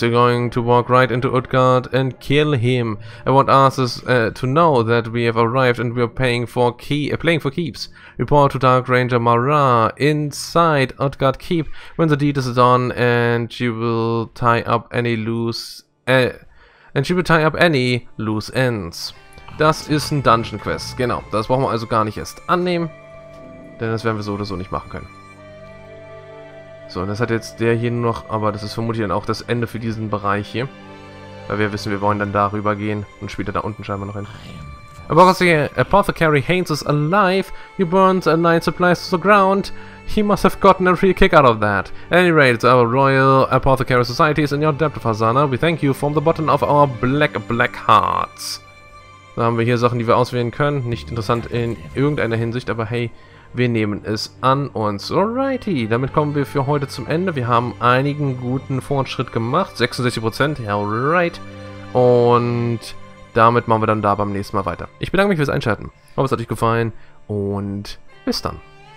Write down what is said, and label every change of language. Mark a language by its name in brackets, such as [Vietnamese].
[English] You're going to walk right into Utgard and kill him. I want Arthas to know that we have arrived and we are playing for keeps. Report to Dark Ranger Mara inside Utgard Keep when the deed is done, and she will tie up any loose... And she will tie up any loose ends. [German] Das ist ein Dungeon Quest. Genau, das brauchen wir also gar nicht erst annehmen. Denn das werden wir so oder so nicht machen können. So, und das hat jetzt der hier noch, aber das ist vermutlich dann auch das Ende für diesen Bereich hier. Weil wir wissen, wir wollen dann darüber gehen und später da unten scheinbar noch hin. [English] Apothecary Haynes is alive. He burns allied supplies to the ground. He must have gotten a real kick out of that. At any rate, it's our Royal Apothecary Society is in your debt, Fasana. We thank you from the bottom of our black hearts. [German] Da haben wir hier Sachen, die wir auswählen können. Nicht interessant in irgendeiner Hinsicht, aber hey, wir nehmen es an uns. Alrighty, damit kommen wir für heute zum Ende. Wir haben einigen guten Fortschritt gemacht. 66%, alright. Und damit machen wir dann da beim nächsten Mal weiter. Ich bedanke mich fürs Einschalten. Ich hoffe, es hat euch gefallen. Und bis dann.